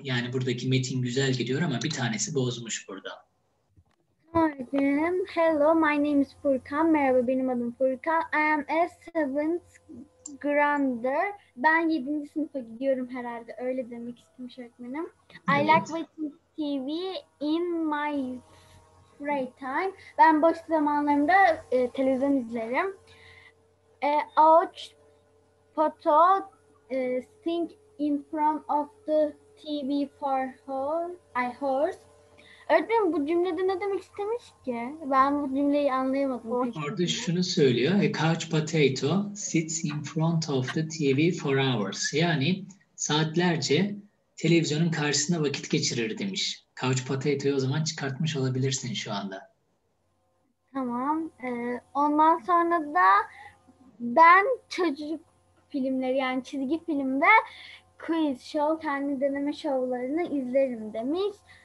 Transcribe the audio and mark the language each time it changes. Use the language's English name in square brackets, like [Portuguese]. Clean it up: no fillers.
[Turkish] Yani buradaki metin güzel gidiyor ama bir tanesi bozmuş burada. [English] Günaydın. Hello, my name is Furkan. [Turkish] Merhaba, benim adım Furkan. I am a seventh grader. Ben 7. sınıfa gidiyorum herhalde. Öyle demek istemiş öğretmenim. [English] Evet. I like watching TV in my free time. [Turkish] Ben boş zamanlarımda televizyon izlerim. [English] Watch photo think in front of the TV for hours. [Turkish] Öğretmenim, bu cümlede ne demek istemiş ki? Ben bu cümleyi anlayamadım. Orada şunu söylüyor. [English] A couch potato sits in front of the TV for hours. [Turkish] Yani saatlerce televizyonun karşısında vakit geçirir demiş. Couch potato'yu o zaman çıkartmış olabilirsin şu anda. Tamam. Ondan sonra da ben çocuk filmleri, yani çizgi filmde quiz show, kendi deneme şovlarını izlerim demiş.